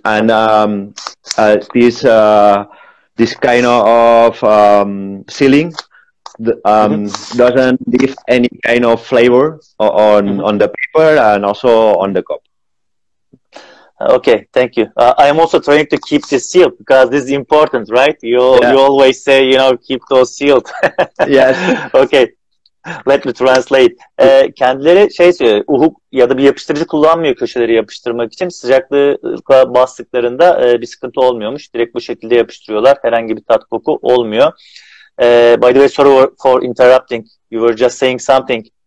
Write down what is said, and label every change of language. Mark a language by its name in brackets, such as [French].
[English] And this kind of sealing doesn't give any kind of flavor on on the paper and also on the cup. Okay, thank you. I am also trying to keep this sealed because this is important, right? You always say, you know, keep those sealed. Yes. Okay. Let me translate. [Turkish] Kendileri şey söylüyor, uhuk ya da bir yapıştırıcı kullanmıyor köşeleri yapıştırmak için. Sıcaklığa bastıklarında bir sıkıntı olmuyormuş. Direkt bu şekilde yapıştırıyorlar. Herhangi bir tat koku olmuyor. [English] By the way, sorry for interrupting. You were just saying something.